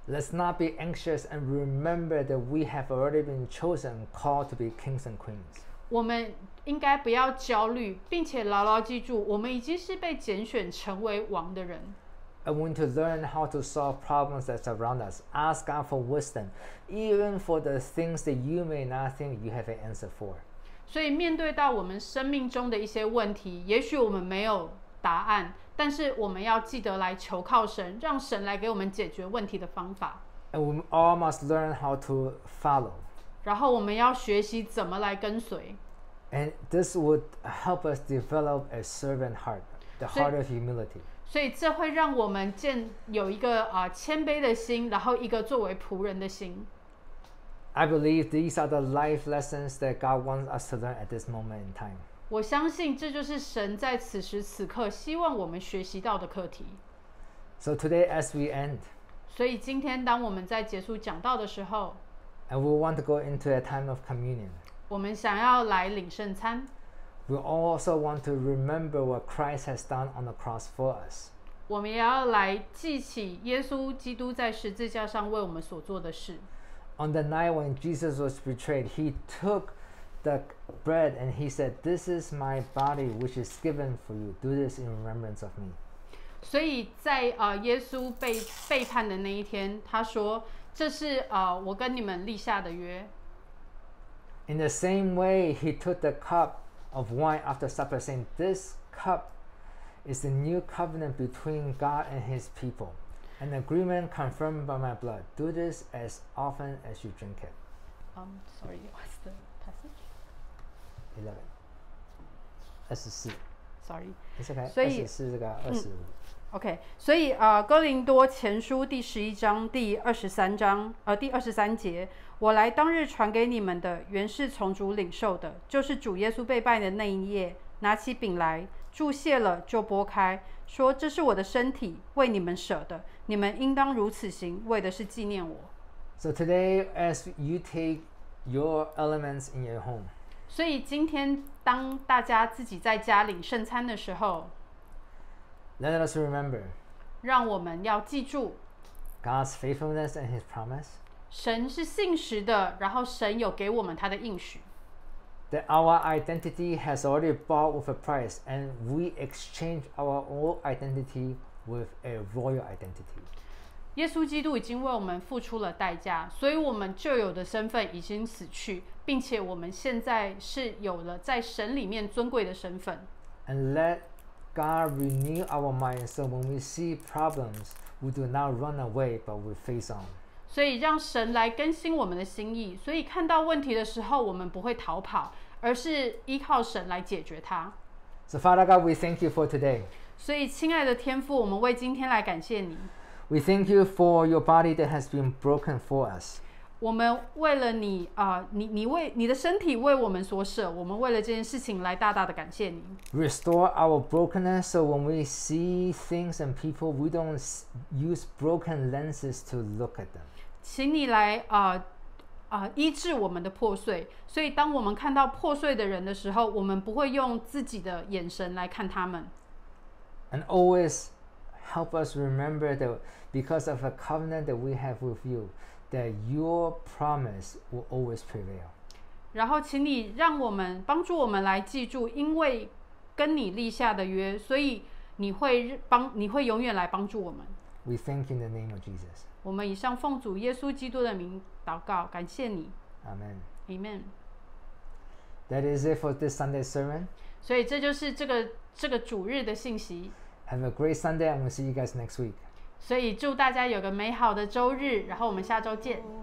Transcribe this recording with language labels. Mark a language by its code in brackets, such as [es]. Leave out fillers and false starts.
[en] Let's not be anxious and remember that we have already been chosen, called to be kings and queens. [zh] 我们应该不要焦虑，并且牢牢记住，我们已经是被拣选成为王的人。 [en] I want to learn how to solve problems that surround us. Ask God for wisdom, even for the things that you may not think you have an answer for. [zh] 所以面对到我们生命中的一些问题，也许我们没有答案，但是我们要记得来求靠神，让神来给我们解决问题的方法。 [en] And we all must learn how to follow. [zh] 然后我们要学习怎么来跟随。 [en] And this would help us develop a servant heart, the heart of humility. [zh] 所以这会让我们建有一个谦卑的心，然后一个作为仆人的心。 [en] I believe these are the life lessons that God wants us to learn at this moment in time. [zh] 我相信这就是神在此时此刻希望我们学习到的课题。 [en] So today as we end, [zh] 所以今天当我们在结束讲道的时候， [en] and we want to go into a time of communion. [zh] 我们想要来领圣餐。 [en] We also want to remember what Christ has done on the cross for us. [zh] 我们也要来记起耶稣基督在十字架上为我们所做的事。 [en] On the night when Jesus was betrayed, he took the bread and he said, "This is my body, which is given for you. Do this in remembrance of me." [zh] 所以在耶稣被背叛的那一天，他说，这是我跟你们立下的约。 [en] In the same way, he took the cup of wine after supper, saying, "This cup is the new covenant between God and His people, an agreement confirmed by my blood. Do this as often as you drink it."、 sorry, what's the passage? 11. 24. Sorry. It's okay. [zh] 所以24这个25。 OK， 所以哥林多前书第十一章第二十三章第二十三节，我来当日传给你们的，原是从主领受的，就是主耶稣被拜的那一夜，拿起饼来，祝谢了就拨开，说这是我的身体，为你们舍的，你们应当如此行，为的是纪念我。 [en] So today, as you take your elements in your home， [zh] 所以今天当大家自己在家领圣餐的时候。 [en] Let us remember. [zh] 让我们要记住 [en] God's faithfulness and His promise. [zh] 神是信实的，然后神有给我们他的应许。 [en] That our identity has already bought with a price, and we exchange our old identity with a royal identity. [zh] 耶稣基督已经为我们付出了代价，所以我们旧有的身份已经死去，并且我们现在是有了在神里面尊贵的身份。 [en] And let God renew our mind, so when we see problems, we do not run away, but we face on. [zh] 所以让神来更新我们的心意，所以看到问题的时候，我们不会逃跑，而是依靠神来解决它。 [en] So Father God, we thank you for today. [zh] 所以亲爱的天父，我们为今天来感谢你。 [en] We thank you for your body that has been broken for us. [zh] 我们为了你你的身体为我们所舍，我们为了这件事情来大大的感谢你。 [en] Restore our brokenness, so when we see things and people, we don't use broken lenses to look at them. [zh] 请你来医治我们的破碎，所以当我们看到破碎的人的时候，我们不会用自己的眼神来看他们。 [en] And always help us remember that because of a covenant that we have with you. That your promise will always prevail. [zh] 然后请你让我们帮助我们来记住，因为跟你立下的约，所以你会永远来帮助我们。 [en] We thank in the name of Jesus. [zh] 我们以上奉主耶稣基督的名祷告，感谢你。 [en] Amen. Amen. That is it for this Sunday sermon. [zh] 所以这就是这个主日的信息。 [en] Have a great Sunday, and we'll see you guys next week. [zh] 所以祝大家有个美好的周日，然后我们下周见。